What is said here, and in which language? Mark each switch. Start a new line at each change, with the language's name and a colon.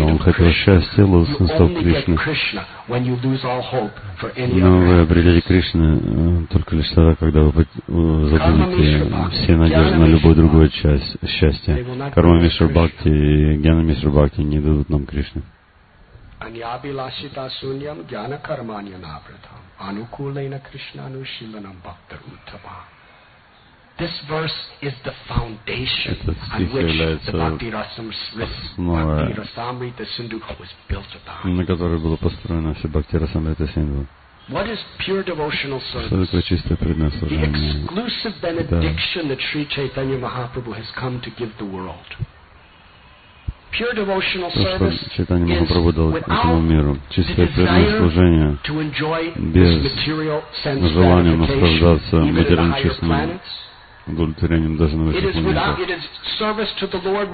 Russian: Он хотел счастья, лотосов Кришны. Но вы обретете Кришну только лишь тогда, когда вы забудете все надежды на любую другую часть счастья. Карма Мишра Бхакти и Гьяна Мишра Бхакти не дадут нам Кришны.
Sanskrit: Аньябиласитасуньям гьяна карманья навратам анукулейна кришнану шиланам бхактар уттама.
English: This verse is the foundation on which the Bhakti Rasamrita Sindhu was built upon. What is pure devotional service? The exclusive benediction that Sri Chaitanya Mahaprabhu has come to give the world.
Russian: То, что Чайтанья Махапрабху дал этому миру, чистое преданное служение без желания наслаждаться материальным чувством, удовлетворением даже на высших планетах.